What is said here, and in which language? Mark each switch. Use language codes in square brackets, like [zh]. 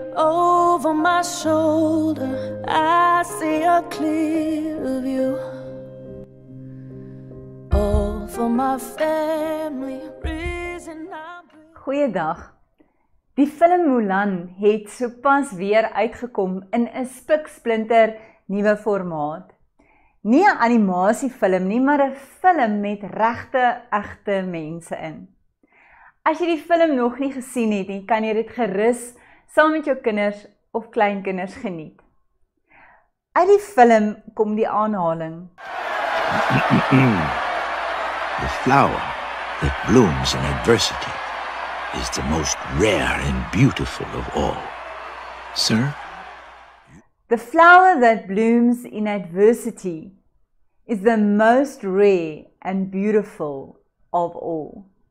[en] Over my shoulder, I see a clear view. All for my family, reason I'm blue. [af] Goeiedag. Die film Mulan het sopas weer uitgekom in 'n spiksplinter nuwe formaat. Nie 'n animasiefilm nie, maar 'n film met regte, egte mense in. As jy die film nog nie gesien het nie, kan jy dit gerus saam met jou kinders of kleinkinders geniet. Uit die film kom die aanhaling. [en] The flower that blooms in adversity is the most rare and beautiful of all. Sir? The flower that blooms in adversity is the most rare and beautiful of all.